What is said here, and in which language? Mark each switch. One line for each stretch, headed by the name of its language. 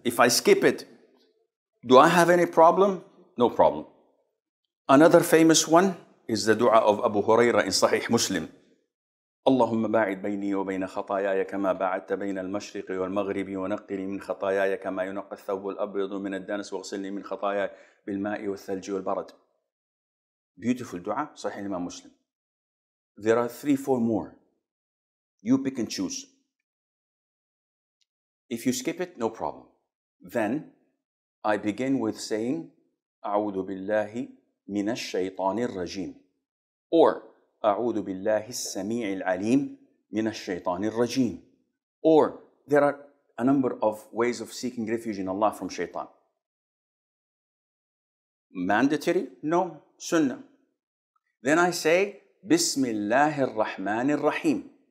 English: If I skip it, do I have any problem? No problem. Another famous one is the dua of Abu Huraira in Sahih Muslim.
Arabic: اللهم باعد بيني وبين خطاياي كما باعدت بين المشرق والمغرب ونقني من خطاياي كما ينقى الثوب الأبيض من الدنس واغسلني من خطاياي بالماء والثلج والبرد.
English: Beautiful dua, Sahih Imam Muslim. There are 3-4 more. You pick and choose. If you skip it, no problem. Then I begin with saying,
Arabic: أعوذ بالله من الشيطان الرجيم.
English: Or
Arabic: أعوذ بالله السميع العليم من الشيطان الرجيم.
English: Or there are a number of ways of seeking refuge in Allah from shaitan. Mandatory? No. Sunnah. Then I say,
Arabic: بسم الله الرحمن الرحيم.